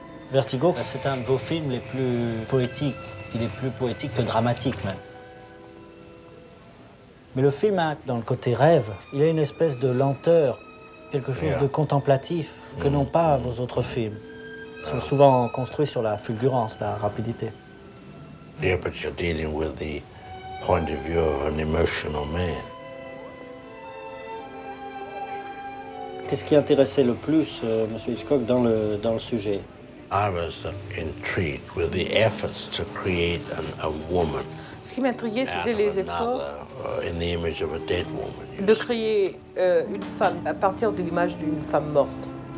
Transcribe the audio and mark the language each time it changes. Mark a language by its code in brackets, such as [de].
[fr] Vertigo, c'est un de vos films les plus poétiques. Il est plus poétique que dramatique, même. Mais le film a, dans le côté rêve, il a une espèce de lenteur, quelque chose de contemplatif que n'ont pas vos autres films. Ils sont souvent construits sur la fulgurance, la rapidité. [en] Yeah, but you're dealing with the point of view of an emotional man. [fr] Qu'est-ce qui intéressait le plus, Monsieur Hitchcock, dans le sujet? [en] I was intrigued with the efforts to create a woman. [fr] Ce qui m'intriguait, c'était les efforts [en] in the image of a dead woman, [fr] de créer une femme à partir de l'image d'une femme morte.